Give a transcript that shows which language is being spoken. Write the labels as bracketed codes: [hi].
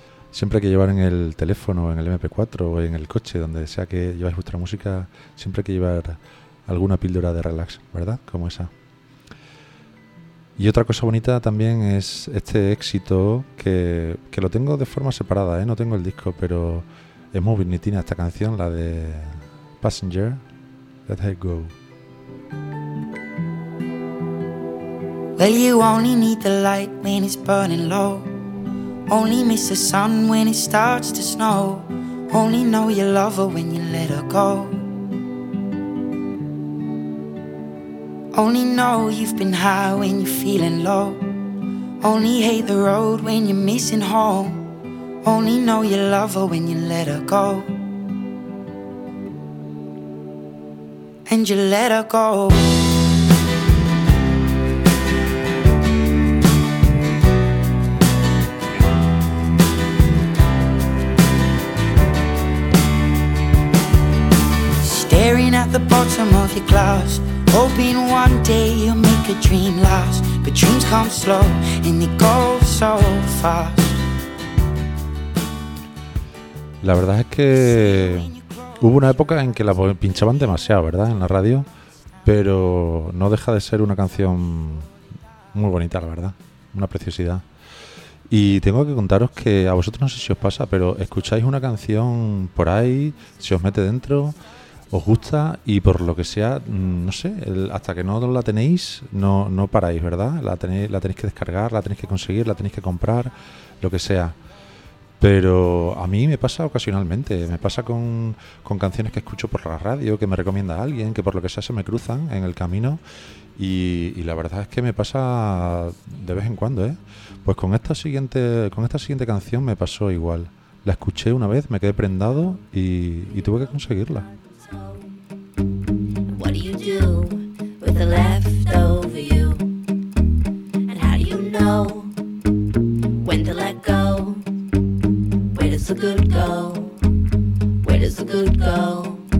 [es] Siempre hay que llevar en el teléfono, en el MP4 o en el coche, donde sea que lleváis vuestra música, siempre hay que llevar alguna píldora de relax, ¿verdad? Como esa. Y otra cosa bonita también es este éxito, que lo tengo de forma separada, ¿eh? No tengo el disco, pero es muy bonitina esta canción, la de Passenger, Let Her Go. [en] Well, you only need the light when it's burning low. Only miss the sun when it starts to snow. Only know you love her when you let her go. Only know you've been high when you're feeling low. Only hate the road when you're missing home. Only know you love her when you let her go. And you let her go. Staring at the bottom of your glass, hoping one day you'll make a dream last. But dreams come slow and they go so fast. [es] La verdad es que hubo una época en que la pinchaban demasiado, ¿verdad? En la radio. Pero no deja de ser una canción muy bonita, la verdad. Una preciosidad. Y tengo que contaros que a vosotros no sé si os pasa, pero escucháis una canción por ahí, se os mete dentro, os gusta y por lo que sea, no sé, hasta que no la tenéis, no paráis, ¿verdad? La tenéis que descargar, la tenéis que conseguir, la tenéis que comprar, lo que sea. Pero a mí me pasa ocasionalmente, me pasa con canciones que escucho por la radio, que me recomienda a alguien, que por lo que sea se me cruzan en el camino y la verdad es que me pasa de vez en cuando, ¿eh? Pues con esta siguiente canción me pasó igual. La escuché una vez, me quedé prendado y tuve que conseguirla. [en] What do you do with the leftover you? And how do you know when to let go? Where does the good go? Where does the good go?